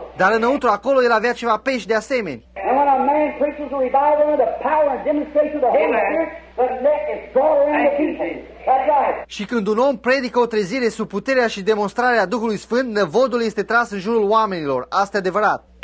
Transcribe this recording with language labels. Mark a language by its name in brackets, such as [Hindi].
[Romanian] Dar înăuntru acolo el avea ceva pești de asemenea. [English] And when a man preaches a revival under the power and demonstration of the Holy Spirit, the net is drawn around the people. That's right. [Romanian] Și când un om predică o trezire sub puterea și demonstrarea Duhului Sfânt, năvodul este tras în jurul oamenilor. Asta e adevărat.